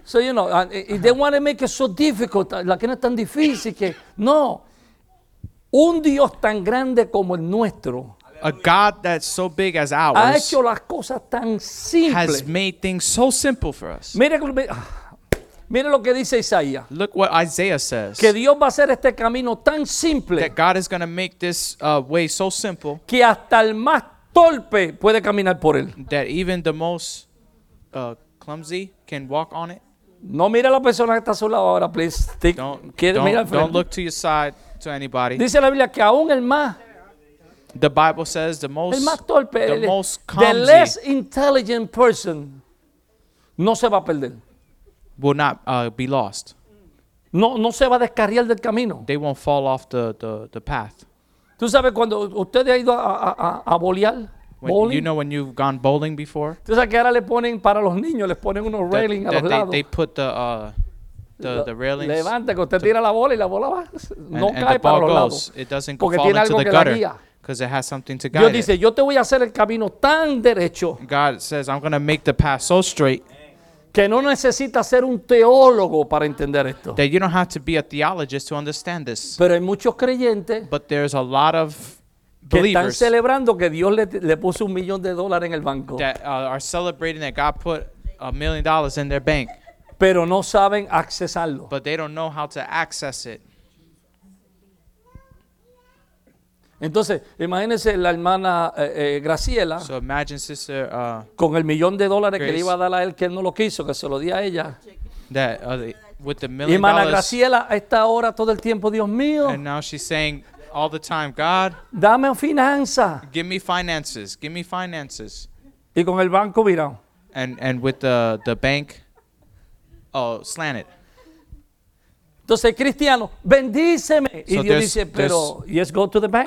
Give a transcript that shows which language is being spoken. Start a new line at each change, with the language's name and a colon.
English: So you know, they want to make it so difficult.
Spanish: La que no es tan difícil que no. Un Dios tan grande como el nuestro.
English: A God that's so big as ours.
Spanish: Ha hecho las cosas tan simples.
English: Has made things so simple for us.
Spanish: Mire lo que dice Isaías.
English: Look what Isaiah says.
Spanish: Que Dios va a hacer este camino tan simple.
English: That God is going to make this way so simple.
Spanish: Que hasta el más torpe puede caminar por él.
English: That even the most clumsy can walk on it.
Spanish: No mira la persona que está a su lado ahora, please.
English: Don't look to your side to anybody.
Spanish: Dice la Biblia que aún el más.
English: The Bible says the most.
Spanish: El más torpe,
English: the most clumsy. The less intelligent person
Spanish: no se va a perder.
English: Will not be lost.
Spanish: No se va a descarriar del camino.
English: They won't fall off the path.
Spanish: ¿Tú sabes cuando usted ha ido a bolear?
English: When, you know when you've gone bowling before?
Spanish: Entonces aquí ahora le ponen para los niños, les ponen unos railings a los lados.
English: They put the railings.
Spanish: Levanta que usted tira la bola y la bola va. No
English: and
Spanish: cae para los lados.
English: It doesn't fall into the gutter.
Spanish: Porque tiene algo que la guía.
English: Because it has something to guide
Spanish: Dios dice,
English: it.
Spanish: Yo te voy a hacer el camino tan derecho.
English: God says, I'm going to make the path so straight.
Spanish: Que no necesita ser un teólogo para entender esto.
English: That you don't have to be a theologist to understand this.
Spanish: Pero hay muchos creyentes.
English: But there's a lot of
Spanish: que
English: believers
Spanish: están celebrando que Dios le puso $1,000,000 en el banco.
English: That are celebrating that God put $1,000,000 in their bank.
Spanish: Pero no saben accesarlo.
English: But they don't know how to access it.
Spanish: Entonces, imagínese la hermana Graciela,
English: so imagine sister,
Spanish: con el millón de dólares Grace, que le iba a dar a él, que él no lo quiso, que se lo di a ella.
English: That, with the million
Spanish: y hermana
English: dollars,
Spanish: Graciela a esta hora todo el tiempo, Dios mío.
English: And now she's saying all the time, God,
Spanish: dame finanza.
English: Give me finances, give me finances.
Spanish: Y con el banco mirado.
English: And with the bank, oh, slanted.
Spanish: Entonces, cristiano, bendíceme. Y Dios dice, pero,
English: yes, go to the bank.